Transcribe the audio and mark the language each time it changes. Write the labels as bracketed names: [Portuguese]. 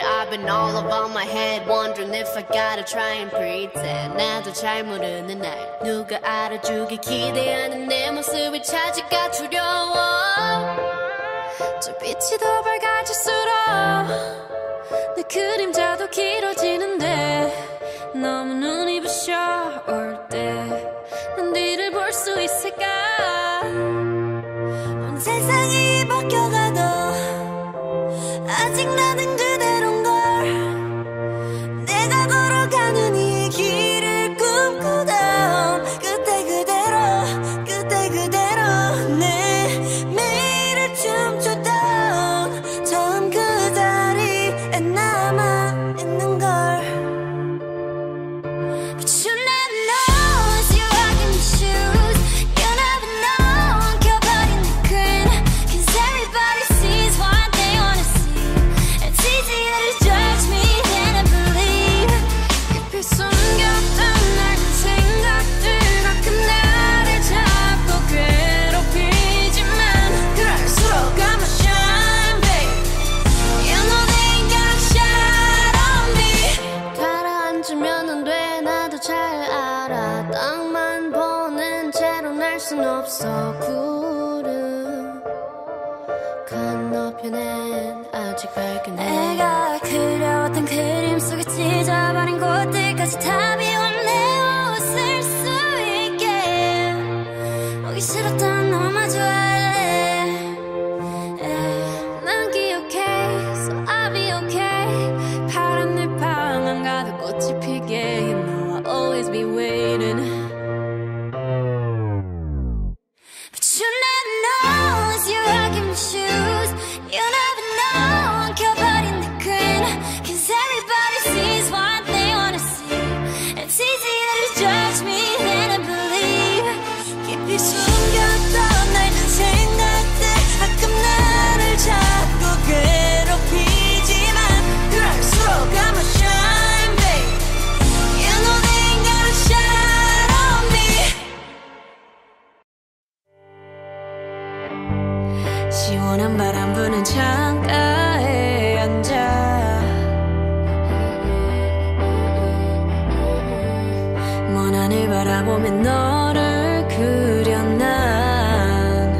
[English] been all over my head, wondering if I gotta try and pretend. [Korean] 나도 잘 모르는 날 누가 알아주길 기대하는 내 모습을 찾을까 두려워. 저 빛이 더 밝아질수록 내 그림자도 길어지는데 너무 눈이 부셔 올 때 난 뒤를 볼 수 있을까. 온 세상이 바뀌어가도 아직 나는 그대로인 걸. 내가 걸어가는 이 길을 꿈꾸다 그때 그대로 그때 그대로 내 매일을 춤추다 처음 그 자리에 남아 있는 걸. [English] But you never know as you walk in the shoes. You never know I'm covered in the green. Cause everybody sees what they wanna see. It's easier to judge me than I believe. If you're [Korean] 숨겼던 낡은 생각들 가끔 나를 자꾸 괴롭히지만 그럴수록 가만 [English] shine babe. You know they ain't got a shot on me. [Korean] 가라앉으면 안 돼. 잘 알아 땅만 보는 채로 날 순 없어. 구름 건너편엔 아직 밝은 해. 내가 그려왔던 그림 속에 찢어버린 곳들까지 다 비워내 웃을 수 있게. 보기 싫었던 너만 좋아할래. [English] Yeah. [Korean] 난 기억해 [English] so I'll be okay. [Korean] 파란 내 방 안 가득 꽃이 피게. [English] Always be waiting. But you never know as you walk in my shoes. You never know I'm covered in the green. Cause everybody sees what they wanna see. It's easier to judge me than to believe. Keep you [Korean] 숨겼던 낡은 생각들 가끔 나를 자꾸 괴롭히지만 그럴수록 [English] I'm a shine babe. You know they ain't got a shot on me. [Korean] 시원한 바람 부는 창가에 앉아 먼 하늘 바라보며 너를 그렸나.